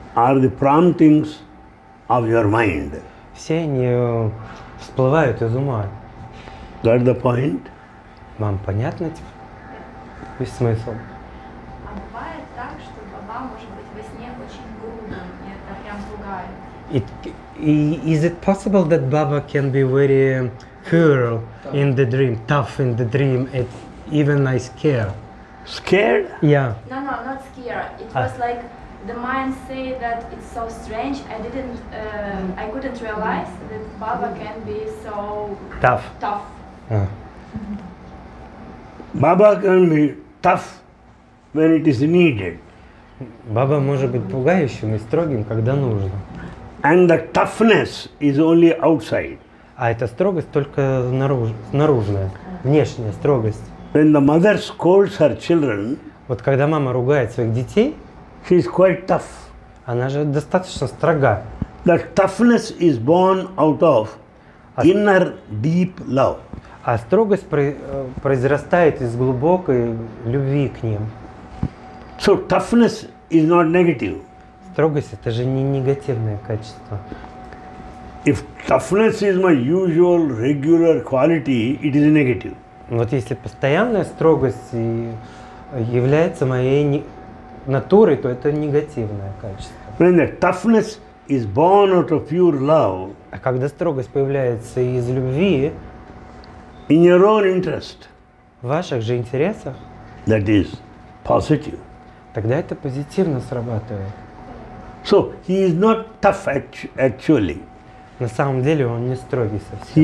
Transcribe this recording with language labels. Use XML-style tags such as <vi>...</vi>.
<en>are the promptings of your mind.</en> <ru>Все они всплывают из ума.</ru> <en>That the point?</en> <ru>Вам понятно весь смысл? А бывает так, что Баба может быть во сне очень грубым, и это прям пугает.</ru> <en>И, is it possible that Baba can be very cruel in the dream, tough in the dream, and even I scare? Scared? Yeah. No, not scared. It was like the mind say that it's so strange. I couldn't realize that Baba can be so tough. Baba can be tough when it is needed.</en> <ru>Baba может быть пугающим и строгим, когда нужно.</ru> <en>And the toughness is only outside.</en> <ru>А эта строгость только снаружная, внешняя строгость.</ru> <en>When the mother scolds her children,</en> <ru>вот когда мама ругает своих детей,</ru> <en>she is quite tough.</en> <ru>Она же достаточно строга.</ru> <en>The toughness is born out of inner deep love.</en> <ru>А строгость произрастает из глубокой любви к ним.</ru> <en>So toughness is not negative.</en> <ru>Строгость – это же не негативное качество.</ru> <en>If toughness is my usual regular quality, it is negative.</en> <ru>Вот если постоянная строгость является моей натурой, то это негативное качество.</ru> <en>When the toughness is born out of pure love,</en> <ru>а когда строгость появляется из любви,</ru> <en>in your own interest,</en> <ru>в ваших же интересах,</ru> <en>that is positive.</en> <ru>Тогда это позитивно срабатывает.</ru> <en>So he is not tough actually.</en> <ru>На самом деле он не строгий совсем.</ru>